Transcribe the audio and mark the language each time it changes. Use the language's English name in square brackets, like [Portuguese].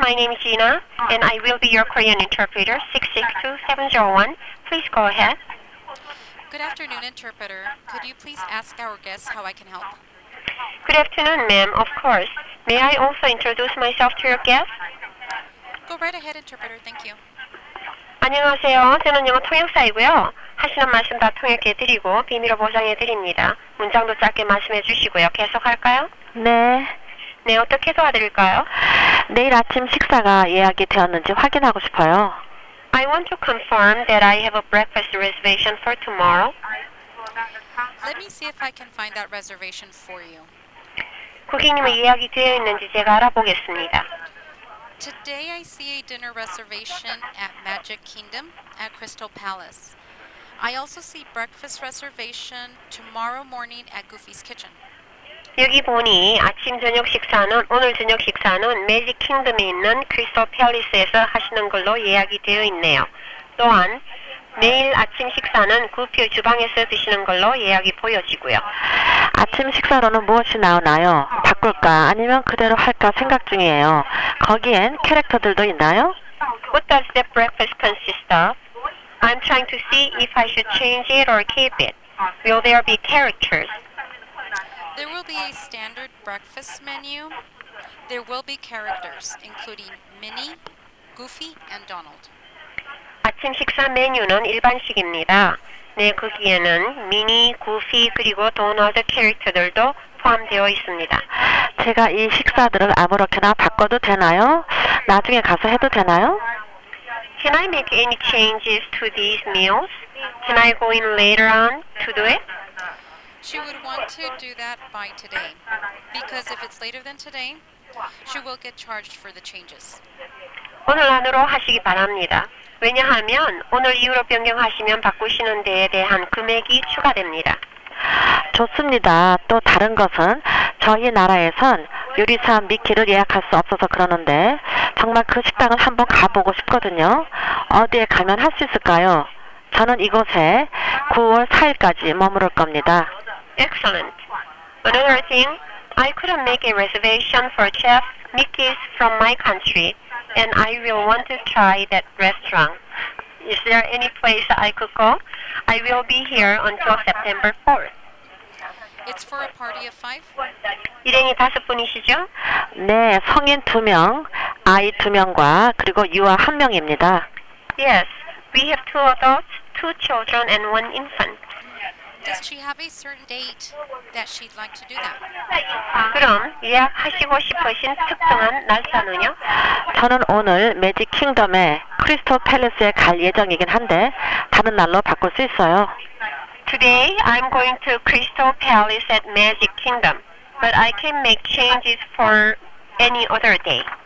[English] My name is Gina, and I will be your Korean interpreter. 662-701. Please go ahead. Good afternoon, interpreter. Could you please ask our guests how I can help? Good afternoon, ma'am. Of course. May I also introduce myself to your guests? Go right ahead, interpreter. Thank you. [Korean] 안녕하세요. 저는 영어 통역사이고요. 하시는 말씀 다 통역해드리고 비밀을 보장해드립니다. 문장도 짧게 말씀해주시고요. 계속할까요? 네. 네, 어떻게 도와드릴까요? 내일 아침 식사가 예약이 되었는지 확인하고 싶어요. [English] I want to confirm that I have a breakfast reservation for tomorrow. Let me see if I can find that reservation for you. [Korean] 고객님의 예약이 되어 있는지 제가 알아보겠습니다. [English] Today I see a dinner reservation at Magic Kingdom at Crystal Palace. I also see breakfast reservation tomorrow morning at Goofy's Kitchen. [Korean] 여기 보니 아침 저녁 식사는 오늘 저녁 식사는 매직 킹덤에 있는 크리스탈 팰리스에서 하시는 걸로 예약이 되어 있네요. 또한 내일 아침 식사는 구피 주방에서 드시는 걸로 예약이 보여지고요. 아침 식사로는 무엇이 나오나요? 바꿀까 아니면 그대로 할까 생각 중이에요. 거기엔 캐릭터들도 있나요? [English] What does the breakfast consist of? I'm trying to see if I should change it or keep it. Will there be characters? There will be a standard breakfast menu. There will be characters, including Minnie, Goofy, and Donald. [Korean] 아침 식사 메뉴는 일반식입니다. 네, 거기에는 미니, 구피, 그리고 도널드 캐릭터들도 포함되어 있습니다. 제가 이 식사들을 아무렇게나 바꿔도 되나요? 나중에 가서 해도 되나요? [English] Can I make any changes to these meals? Can I go in later on to do it? She would want to do that by today. Because if it's later than today, she will get charged for the changes. [Korean] 오늘 안으로 하시기 바랍니다. 왜냐하면 오늘 이후로 변경하시면 바꾸시는 데에 대한 금액이 추가됩니다. 좋습니다. 또 다른 것은 저희 나라에선 요리사 미키를 예약할 수 없어서 그러는데 정말 그 식당을 한번 가보고 싶거든요. 어디에 가면 할 수 있을까요? 저는 이곳에 9월 4일까지 머무를 겁니다. [English] Excellent. Another thing, I couldn't make a reservation for Chef Mickey's from my country, and I will want to try that restaurant. Is there any place I could go? I will be here until September 4th. It's for a party of five? [Korean] 일행이 다섯 분이시죠? 네, 성인 두 명, 아이 두 명과 그리고 유아 한 명입니다. [English] Yes, we have two adults, two children, and one infant. Does she have a certain date that she'd like to do that? [Korean] 그럼 예약하시고 싶으신 특정한 날짜는요? 저는 오늘 매직 킹덤에 크리스탈 팰리스에 갈 예정이긴 한데 다른 날로 바꿀 수 있어요. [English] Today I'm going to Crystal Palace at Magic Kingdom, but I can make changes for any other day.